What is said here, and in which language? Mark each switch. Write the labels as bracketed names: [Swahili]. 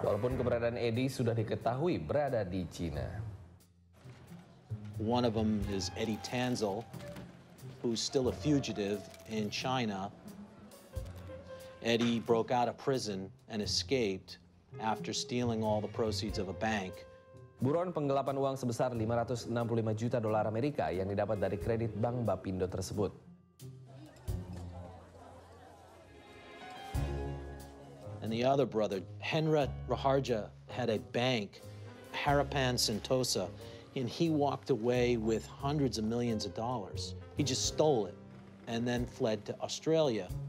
[Indonesian] Walaupun keberadaan Edi sudah diketahui berada di China. [English] One of them is Eddie Tanzel, who's still a fugitive in China. Eddie broke out of prison and escaped after stealing all the proceeds of a bank. [Indonesian] Buron penggelapan uang sebesar 565 juta dolar Amerika yang didapat dari kredit bank Bapindo tersebut. [English] And the other brother, Henra Raharja, had a bank, Harapan Sentosa, and he walked away with hundreds of millions of dollars. He just stole it and then fled to Australia.